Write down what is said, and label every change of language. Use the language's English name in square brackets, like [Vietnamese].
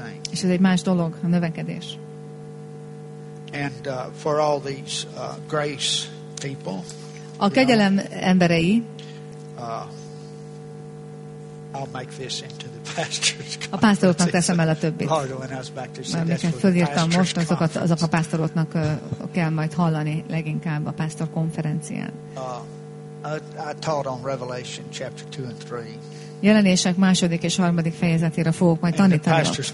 [Hungarian] És ez egy más dolog, a növekedés. [English] And for all these grace people, [Hungarian] a kegyelem emberei, [English] I'll make this into the pastor's conference. [Hungarian] A pásztoroknak teszem el a többit. Amiket fölírtam most, azok a pásztoroknak kell majd hallani leginkább a pásztor konferencián. [English] I taught on Revelation chapter 2 and 3. [Hungarian] Jelenések második és harmadik fejezetére fogok majd tanítani.